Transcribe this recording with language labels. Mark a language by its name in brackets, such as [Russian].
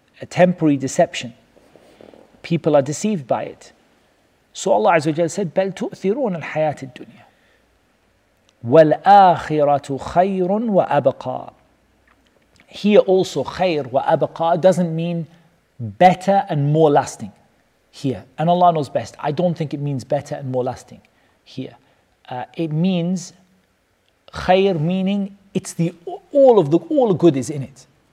[English] Temporary deception. People are deceived by it. So Allah Azza wa Jalla said, [Arabic] بَلْ تُؤْثِرُونَ الْحَيَاةِ الدُّنْيَا وَالْآخِرَةُ خَيْرٌ وَأَبْقَى. [English] Here also, [Arabic] خَيْر وَأَبْقَى [English] doesn't mean better and more lasting here. And Allah knows best. I don't think it means better and more lasting here. It means خَيْر, meaning it's all good is in it.